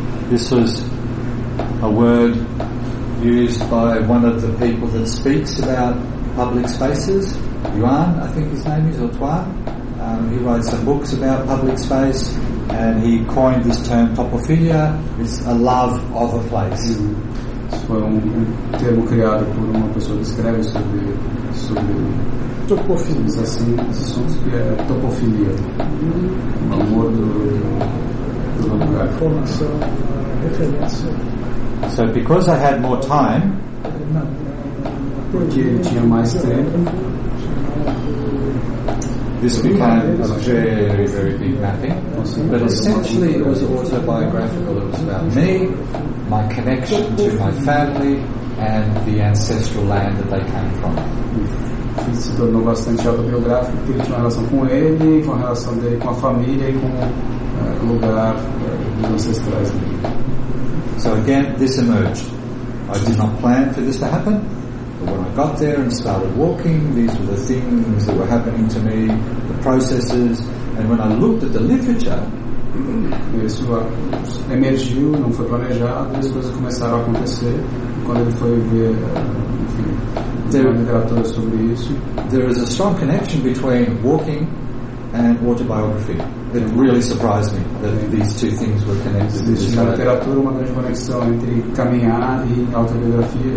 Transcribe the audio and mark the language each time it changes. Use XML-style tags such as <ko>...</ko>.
<en>This was a word used by one of the people that speaks about public spaces. Yuan, I think his name is, or Tuan. He writes some books about public space, and he coined this term topophilia. It's a love of a place.</en> <pt>Foi um termo criado por uma pessoa que escreve sobre topofilias, assim, esses sons, que é topofilia. O amor do lugar. Informação.</pt> <en>So because I had more time,</en> <pt>porque eu tinha mais tempo,</pt> <en>this became a very, very big mapping. But essentially it was autobiographical. It was about me, my connection to my family, and the ancestral land that they came from.</en> <pt>Se tornou bastante autobiográfico, porque ele tinha uma relação com ele, com a relação dele com a família e com o lugar dos ancestrais dele.</pt> <en>So again, this emerged. I did not plan for this to happen, but when I got there and started walking, these were the things that were happening to me, the processes, and when I looked at the literature,</en> <pt>isso emergiu, não foi planejado, as coisas começaram a acontecer. Quando ele foi ver, enfim, uma literatura sobre isso,</pt> <en>there is a strong connection between walking and autobiography. It really surprised me that these two things were connected.</en> <pt>Na literatura, uma grande conexão entre caminhar e autobiografia.</pt>